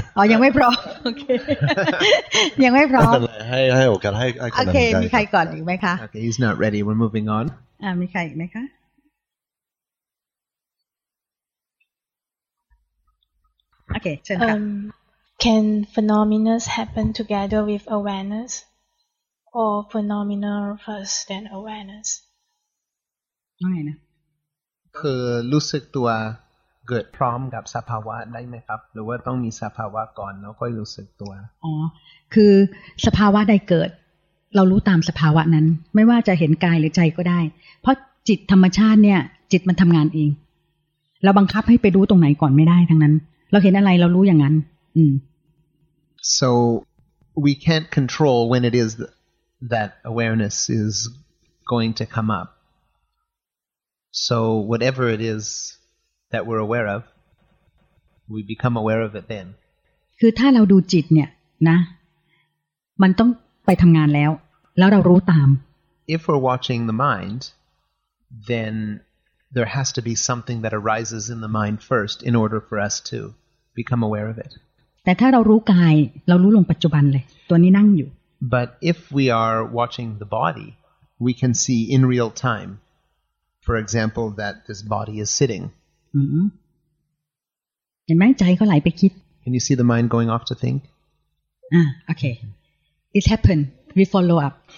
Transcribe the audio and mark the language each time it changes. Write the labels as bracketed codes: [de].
[th] อ๋อยังไม่พร้อมโอเคยังไม่พร้อม ให้โอกาสให้ค นอื่นได้โอเคมีใครก่อนอีกไหมคะ [en] Okay he's not ready we're moving on [th] มีใครอีกไหมคะโอเคเชิญค่ะ [en] Can phenomena happen together with awarenessOr phenomena first, then awareness. [th] ยังไงนะ คือรู้สึกตัวเกิดพร้อมกับสภาวะได้ไหมครับหรือว่าต้องมีสภาวะก่อนแล้วค่อยรู้สึกตัว อ๋อคือสภาวะใดเกิดเรารู้ตามสภาวะนั้นไม่ว่าจะเห็นกายหรือใจก็ได้เพราะจิตธรรมชาติเนี่ยจิตมันทำงานเองเราบังคับให้ไปรู้ตรงไหนก่อนไม่ได้ทั้งนั้นเราเห็นอะไรเรารู้อย่างนั้น [en] So we can't control when it is that awareness is going to come up. So whatever it is that we're aware of, we become aware of it then. [th] คือถ้าเราดูจิตเนี่ยนะมันต้องไปทำงานแล้วแล้วเรารู้ตาม [en] If we're watching the mind, then there has to be something that arises in the mind first in order for us to become aware of it. [th] แต่ถ้าเรารู้กายเรารู้ลงปัจจุบันเลยตัวนี้นั่งอยู่ [en] But if we are watching the body, we can see in real time, for example, that this body is sitting. Can you see the mind going off to think? Okay. It happened. We follow up.